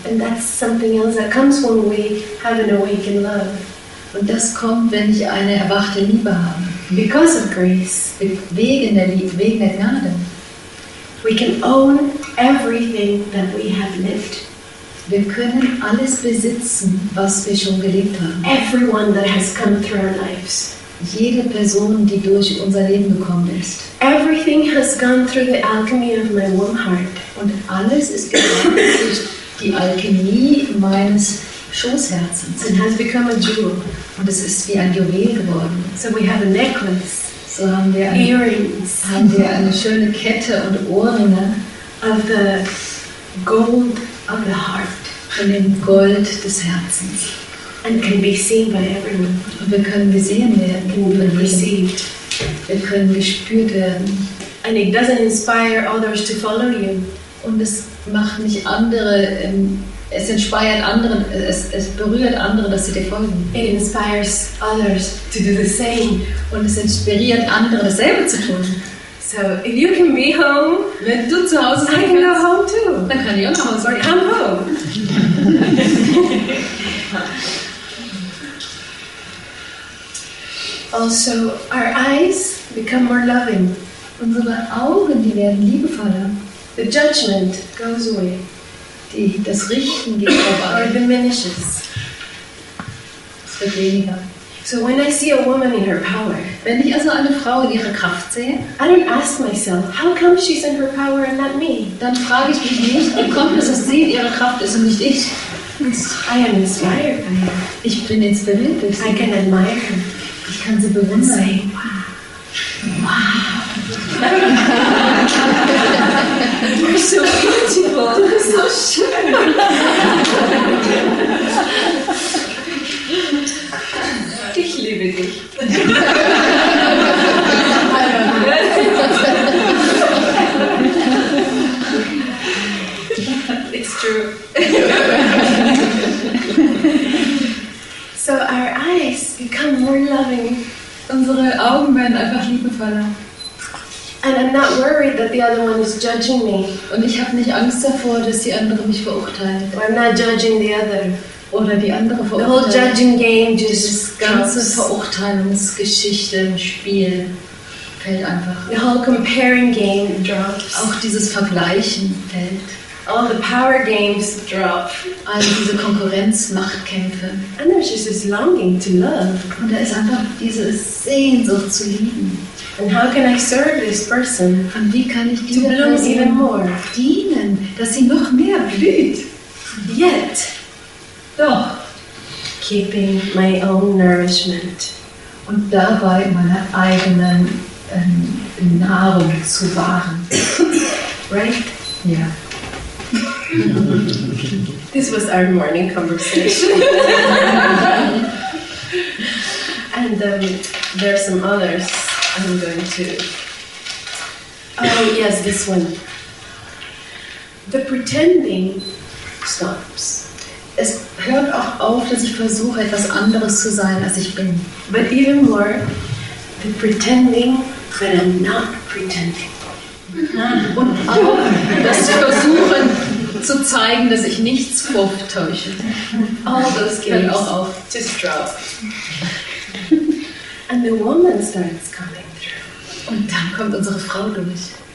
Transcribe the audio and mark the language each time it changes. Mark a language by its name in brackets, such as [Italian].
[English] And that's something else that comes when we have an awakened love. [German] Und das kommt, wenn ich eine erwachte Liebe habe. [English] Because of grace. [German] Wegen der Gnade. [English] We can own everything that we have lived. [German] Wir können alles besitzen, was wir schon gelebt haben. [English] Everyone that has come through our lives. [German] Jede Person, die durch unser Leben gekommen ist. [English] Everything has gone through the alchemy of my warm heart. [German] Und alles ist gegangen durch die Alchemie meines Schoßherzens. [English] It has become a jewel. [German] Und es ist wie ein Juwel geworden. [English] So we have a necklace. [German] So haben wir [English] earrings. [German] Haben wir eine schöne Kette und Ohrringe. [English] Of the gold of the heart. [German] Von dem Gold des Herzens. [English] And can be seen by everyone. [German] Und wir können gesehen werden. [English] Can be received. [German] Wir können gespürt werden. [English] And it doesn't inspire others to follow you. [German] Und es macht nicht andere, es inspiriert andere, es berührt andere, dass sie dir folgen. [English] It inspires others to do the same. [German] Und es inspiriert andere, dasselbe zu tun. [English] So, if you can be home, [German] wenn du zu Hause sein kannst, [English] I can go home too. [German] Dann kann ich auch nach Hause. [English] Sorry, come home. Also, our eyes become more loving. [German] Unsere Augen, die werden liebevoller. [English] The judgment goes away. [German] Das Richten geht vorbei. [English] Or diminishes. [German] Es wird weniger. [English] So when I see a woman in her power, [German] wenn ich also eine Frau in ihrer Kraft sehe, [English] I don't ask myself, how come she's in her power and not me? [German] Dann frage ich mich nicht, wie kommt es, dass sie in ihrer Kraft ist und nicht ich? [English] I am inspired by her. [German] Ich bin inspiriert durch sie. [English] I can admire her. [German] Ich kann sie bewundern. [English] Say, wow. Wow. You're so beautiful. [German] Du bist so schön. [English] It's true. So our eyes become more loving. [German] Unsere Augen werden einfach liebevoller. [English] And I'm not worried that the other one is judging me. [German] Und ich habe nicht Angst davor, dass die andere mich verurteilt. [English] Or I'm not judging the other. [German] Oder die andere verurteilen. [English] The whole judging game just [German] dieses ganze Verurteilungsgeschichte im Spiel fällt einfach. [English] The whole comparing game drops. [German] Auch dieses Vergleichen fällt. [English] All the power games drop. [German] All diese Konkurrenzmachtkämpfe. [English] And there's just this longing to love. [German] Und da ist einfach diese Sehnsucht zu lieben. [English] And how can I serve this person? [German] Und wie kann ich diese [English] Person even more [German] dienen, dass sie noch mehr blüht? [English] Yet. [German] Doch. [English] Keeping my own nourishment. [German] Und dabei meine eigene Nahrung zu wahren. [English] Right? [German] Ja. [English] Yeah. This was our morning conversation. And there are some others I'm going to... Oh, yes, this one. The pretending stops. [German] Es hört auch auf, dass ich versuche, etwas anderes zu sein, als ich bin. [English] But even more, the pretending when I'm not pretending. [German] Und auch, dass ich versuche, zu zeigen, dass ich nichts vortäusche. [English] All those games [German] hört auch auf. [English] Just drop. And the woman starts coming through. [German] Und dann kommt unsere Frau durch.